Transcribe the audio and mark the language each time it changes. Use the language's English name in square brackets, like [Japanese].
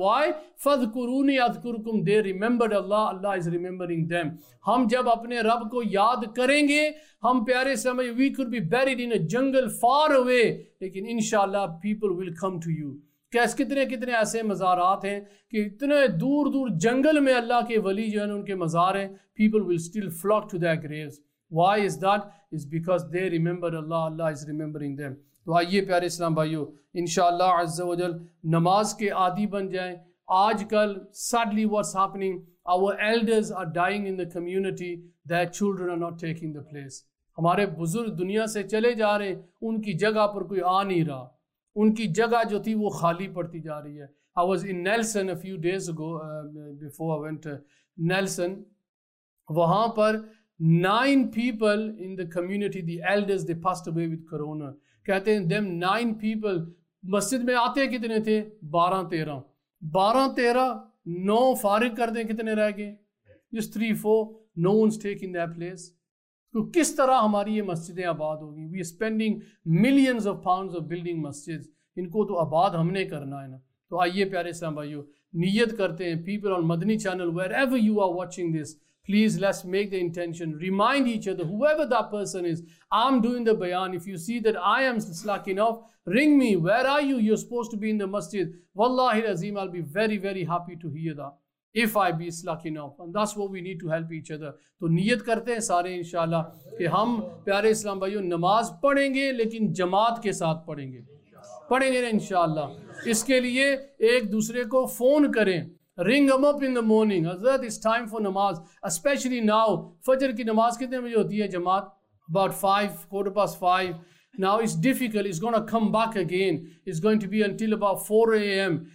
[English] Why? [Arabic] فذکرونی اذکرکم, [English] They remembered Allah, Allah is remembering them. [Urdu] ہم جب اپنے رب کو یاد کریں گے, ہم پیارے سمے [English] we could be buried in a jungle far away, [Urdu] لیکن انشاءاللہ [English] People will come to you. [Urdu] کیسے کتنے کتنے ایسے مزارات ہیں کہ اتنے دور دور جنگل میں اللہ کے ولی جو ہیں ان کے مزار ہیں, [English] People will still flock to their graves. Why is that? Is because they remember اللہ, اللہ is remembering them. [Urdu] تو آئیے پیارے اسلام بھائیو انشاءاللہ عز و جل نماز کے عادی بن جائیں. [English] آج کل sadly what's happening, our elders are dying in the community, their children are not taking the place. [Urdu] ہمارے بزرگ دنیا سے چلے جا رہے ہیں, ان کی جگہ پر کوئی آ نہیں رہا, ان کی جگہ جو تھی وہ خالی پڑتی جا رہی ہے. [English] I was in Nelson a few days ago, before I went Nelson, [Urdu] وہاں پر [English] 9 people in the community, the elders, they passed away with corona. [Urdu] کہتے ہیں دیم 9 پیپل. مسجد میں آتے کتنے تھے؟ 12-13. 12-13, 9 فارغ کر دیں, کتنے رہ گئے؟ جس 3-4, [English] No ones taking that place. [Urdu] تو کس طرح ہماری یہ مسجدیں آباد ہوگی؟ [English] we spending millions of pounds of building مسجد, [Urdu] ان کو تو آباد ہم نے کرنا ہے نا. تو آئیے پیارے اسلام بھائیو نیت کرتے ہیں, [English] People on Madani channel, wherever you are watching this, please let's make the intention, remind each other, however the person is, I am doing the بیان, if you see that I am slacking off, ring me, where are you, you are suppose to be in the مسجد. [Urdu] واللہ العظیم [English] I will be very very happy to hear the if I be lucky enough, and that's what we need to help each other. [Urdu] تو نیت کرتے ہیں سارے انشاءاللہ کہ ہم پیارے اسلام بھائیو نماز پڑھیں گے, لیکن جماعت کے ساتھ پڑھیں گے انشاءاللہ. اس کے لیے ایک دوسرے کو فون کریں, [English] Ring him up in the morning, حضرت it's time for نماز, especially now. [Urdu] فجر کی نماز کتنے بجے ہوتی ہے جماعت؟ About 5:15. [English] Now it's difficult, it's going to come back again, it's going to be until about 4 a.m.